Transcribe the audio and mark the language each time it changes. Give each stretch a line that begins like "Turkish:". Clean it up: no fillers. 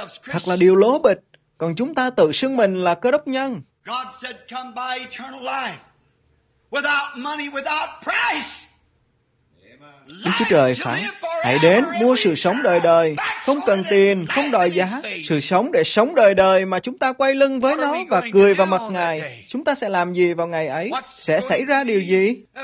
Vietnamese: Thật là điều lố bịch, còn chúng ta tự xưng mình là Cơ Đốc nhân.
English: God said, "Come buy eternal life, without money, without price."
Vietnamese: Đức Chúa Trời phán, hãy đến mua sự sống đời đời, không cần tiền, không đòi giá, sự sống để sống đời đời mà chúng ta quay lưng với nó và cười vào mặt Ngài. Chúng ta sẽ làm gì vào ngày ấy? Sẽ xảy ra điều gì?